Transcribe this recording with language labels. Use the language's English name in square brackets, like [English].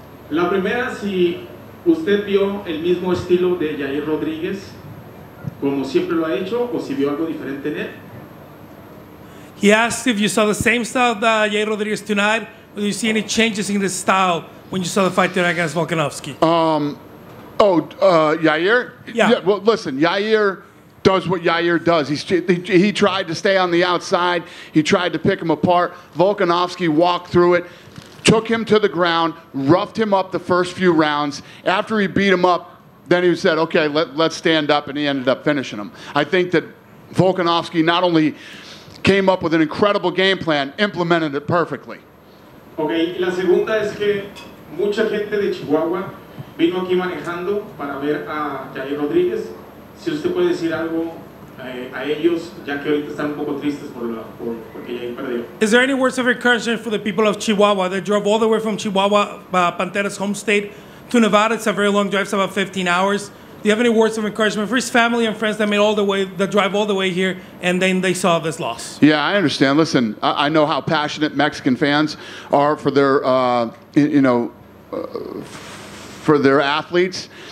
[Spanish] La primera, si usted vio el mismo estilo de Jair Rodriguez, como siempre lo ha hecho, o si vio algo diferente en él. [English] He asked if you saw the same style that Jair Rodriguez tonight, or do you see any changes in the style when you saw the fight there against Volkanovski? Yair? Yeah. Well, listen, Yair does what Yair does. He tried to stay on the outside. He tried to pick him apart. Volkanovski walked through it, took him to the ground, roughed him up the first few rounds. After he beat him up, then he said, okay, let's stand up, and he ended up finishing him. I think that Volkanovski not only came up with an incredible game plan, implemented it perfectly. [Spanish] Okay, la segunda es que mucha gente de Chihuahua vino aquí manejando para ver a Jair Rodriguez. Si usted puede decir algo a ellos, ya que ahorita están un poco tristes porque Jair perdió. [English] Is there any words of encouragement for the people of Chihuahua that drove all the way from Chihuahua, Pantera's home state, to Nevada? It's a very long drive, it's about 15 hours. Do you have any words of encouragement for his family and friends that made all the way, that drive all the way here, and then they saw this loss? Yeah, I understand. Listen, I know how passionate Mexican fans are for their, for their athletes.